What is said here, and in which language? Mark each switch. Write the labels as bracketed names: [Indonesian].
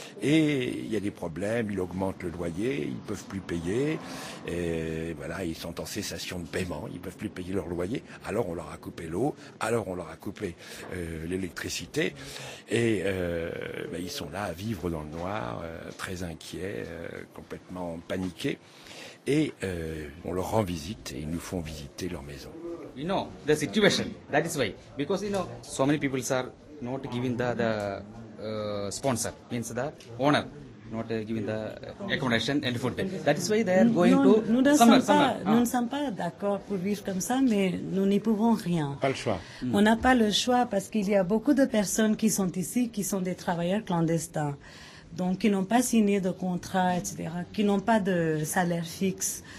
[French] Et il y a des problèmes, ils augmentent le loyer, ils peuvent plus payer, et voilà, ils sont en cessation de paiement, ils peuvent plus payer leur loyer, alors on leur a coupé l'eau, alors on leur a coupé l'électricité, et ils sont là à vivre dans le noir, très inquiets, complètement paniqués, et on leur rend visite et ils nous font visiter leur maison. [English] You know the situation, that is why, because you know so many people are not giving the sponsor, means the owner not giving the accommodation and food. That is why they are going [French] Nous ne sommes pas d'accord pour vivre comme ça, mais nous n'y pouvons rien. Pas le choix. On n'a pas le choix parce qu'il y a beaucoup de personnes qui sont ici qui sont des travailleurs clandestins. Donc, qui n'ont pas signé de contrat, etc., qui n'ont pas de salaire fixe.